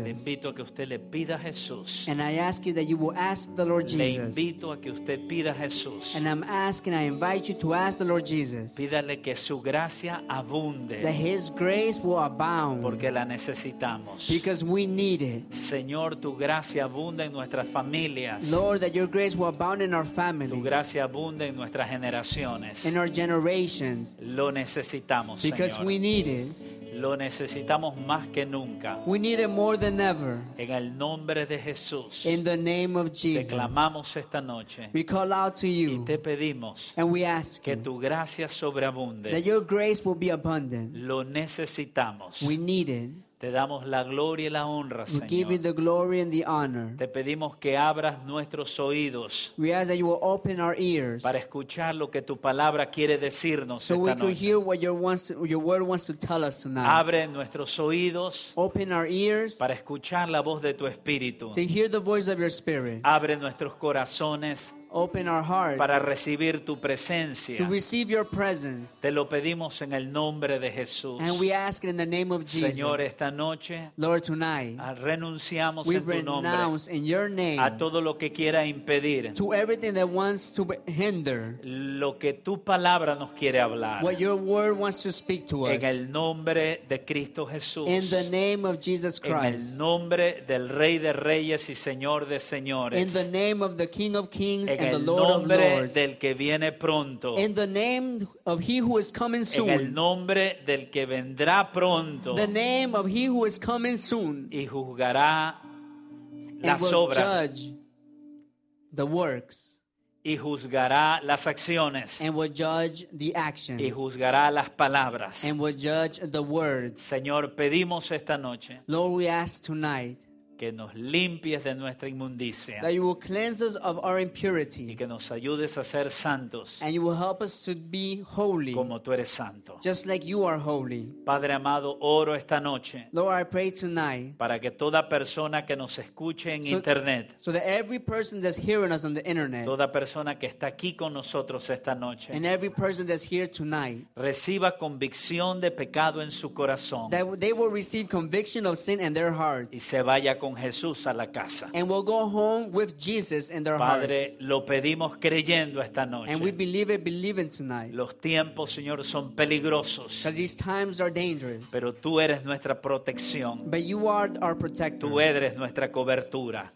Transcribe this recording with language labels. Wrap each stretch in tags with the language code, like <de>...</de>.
<es>Le invito a que usted le pida a Jesús.</es> <en>And I ask you that you will ask the Lord Jesus.</en> <es>Le invito a que usted pida a Jesús.</es> <en>And I'm asking, I invite you to ask the Lord Jesus.</en> <es>Pídale que su gracia abunde.</es> <en>That his grace will abound.</en> <es>Porque la necesitamos.</es> <en>Because we need it.</en> <es>Señor, tu gracia abunde en nuestras familias.</es> <en>Lord, that your grace will abound in our families.</en> <es>Tu gracia abunde en nuestras generaciones.</es> <en>In our generations.</en> <es>Lo necesitamos,</es> <en>because</en> <es>Señor.</es> <en>Because we need it.</en> <es>Lo necesitamos más que nunca.</es> <en>We need it more than ever.</en> <es>En el nombre de Jesús.</es> <en>In the name of Jesus.</en> <es>Declamamos esta noche.</es> <en>We call out to you.</en> <es>Y te pedimos.</es> <en>And we ask</en> <es>que tu gracia sobreabunde.</es> <en>That your grace will be abundant.</en> <es>Lo necesitamos.</es> <en>We need it.</en> <es>Te damos la gloria y la honra, Señor.</es> <en>We give you the glory and the honor.</en> <es>Te pedimos que abras nuestros oídos.</es> <en>We ask that you will open our ears.</en> <es>Para escuchar lo que tu palabra quiere decirnos</es> <en>so</en> <es>esta noche.</es> <en>So we can hear what your word wants to tell us tonight.</en> <es>Abre nuestros oídos.</es> <en>Open our ears.</en> <es>Para escuchar la voz de tu Espíritu.</es> <en>To hear the voice of your Spirit.</en> <es>Abre nuestros corazones.</es> <en>Open our hearts.</en> <es>Para recibir tu presencia.</es> <en>To receive your presence.</en> <es>Te lo pedimos en el nombre de Jesús.</es> <en>And we ask it in the name of Jesus.</en> <es>Señor, esta noche.</es> <en>Lord, tonight.</en> <es>Renunciamos</es> <en>we</en> <es>en tu</es> <en>renounce</en> <es>nombre.</es> <en>In your name.</en> <es>A todo lo que quiera impedir.</es> <en>To everything that wants to hinder.</en> <es>Lo que tu palabra nos quiere hablar.</es> <en>What your word wants to speak to us.</en> <es>En el nombre de Cristo Jesús.</es> <en>In the name of Jesus Christ.</en> <es>En el nombre del Rey de Reyes y Señor de Señores.</es> <en>In the name of the King of Kings.</en> <es>En el nombre del que viene pronto.</es> <en>In the name of he who is coming soon.</en> <es>En el nombre del que vendrá pronto.</es> <en>The name of he who is coming soon.</en> <es>Y juzgará las obras.</es> <en>And will judge the works.</en> <es>Y juzgará las acciones.</es> <en>And will judge the actions.</en> <es>Y juzgará las palabras.</es> <en>And will judge the words.</en> <es>Señor, pedimos esta noche.</es> <en>Lord, we ask tonight.</en> <es>Que nos limpies de nuestra inmundicia.</es> <en>That you will cleanse us of our impurity.</en> <es>Y que nos ayudes a ser santos.</es> <en>And you will help us to be holy.</en> <es>Como tú eres santo.</es> <en>Just like you are holy.</en> <es>Padre amado, oro esta noche.</es> <en>Lord, I pray tonight.</en> <es>Para que toda persona que nos escuche en internet.</es> <en>So that every person that's hearing us on the internet.</en> <es>Toda persona que está aquí con nosotros esta noche.</es> <en>And every person that's here tonight.</en> <es>Reciba convicción de pecado en su corazón.</es> <en>That they will receive conviction of sin in their heart.</en> <es>Y se vaya con Jesús a la casa.</es> <en>And we'll go home with Jesus in their</en> <es>Padre,</es> <en>hearts.</en> <es>Padre, lo pedimos creyendo esta noche.</es> <en>And we believe it, believing tonight.</en> <es>Los tiempos, Señor, son peligrosos.</es> <en>Because these times are dangerous.</en> <es>Pero tú eres nuestra protección.</es> <en>But you are our protector.</en> <es>Tú eres nuestra cobertura.</es>